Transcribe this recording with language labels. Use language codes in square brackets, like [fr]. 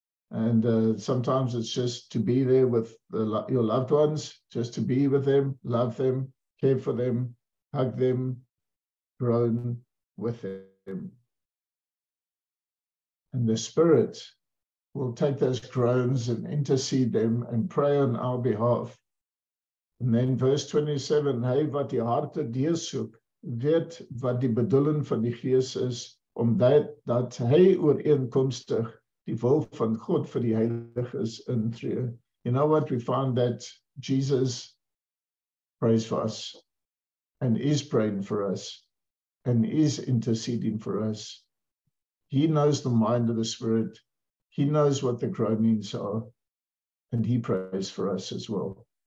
[en] And sometimes it's just to be there with your loved ones, just to be with them, love them, care for them, hug them, groan with them. And the Spirit will take those groans and intercede them and pray on our behalf. And then verse 27, [af] hey, wat die harte dier soek, weet wat die bedoeling van die geest is, omdat dat hy ooreenkomstig die wil van God vir die heiliges intree. [en] You know what? We find that Jesus prays for us and is praying for us and is interceding for us. He knows the mind of the Spirit. He knows what the groanings are, and he prays for us as well.